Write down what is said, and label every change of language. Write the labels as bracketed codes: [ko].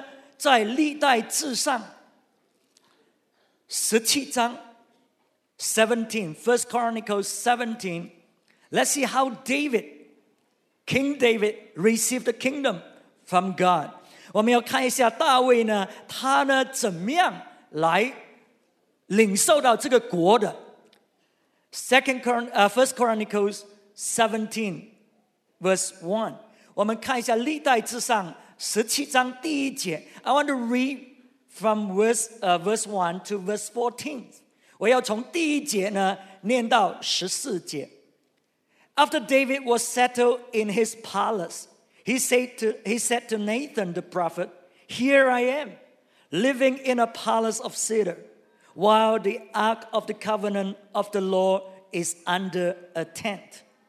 [zh] 我们要回到旧约呢,看一下大卫,他呢,在历代志上, 17章, [en] 17, First Chronicles 17, let's see how David, King David, received the kingdom from God. [zh] 我们要看一下大卫呢,他呢,怎么样来 领受到这个国的 [en] First Chronicles 17 verse 1 [zh] 我们看一下历代志上17章第一节 [en] I want to read from verse 1 to verse 14 [zh] 我要从第一节呢念到14节 [en] After David was settled in his palace he said to Nathan the prophet Here I am living in a palace of cedar while the Ark of the Covenant of the Lord is under a tent.